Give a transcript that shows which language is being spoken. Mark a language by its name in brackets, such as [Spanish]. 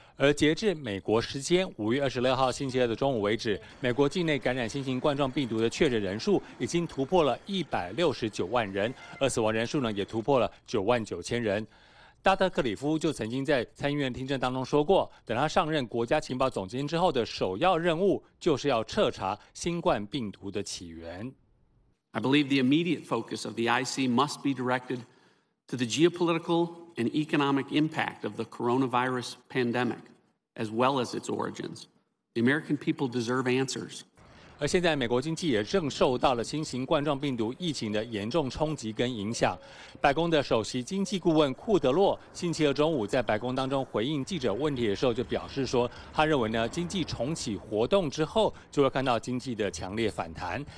[Chinese] 而截至美国时间5月26号星期二的中午为止，美国境内感染新型冠状病毒的确诊人数已经突破了169万人，而死亡人数呢也突破了99000人。拉特克里夫就曾经在参议院听证当中说过，等他上任国家情报总监之后的首要任务就是要彻查新冠病毒的起源。 [English] I believe the immediate focus of the IC must be directed to the geopolitical and economic impact of the coronavirus pandemic, as well as its origins. The American people deserve answers. [Chinese] 而现在美国经济也正受到了新型冠状病毒疫情的严重冲击跟影响。白宫的首席经济顾问库德洛星期二中午在白宫当中回应记者问题的时候就表示说，他认为呢，经济重启活动之后就会看到经济的强烈反弹。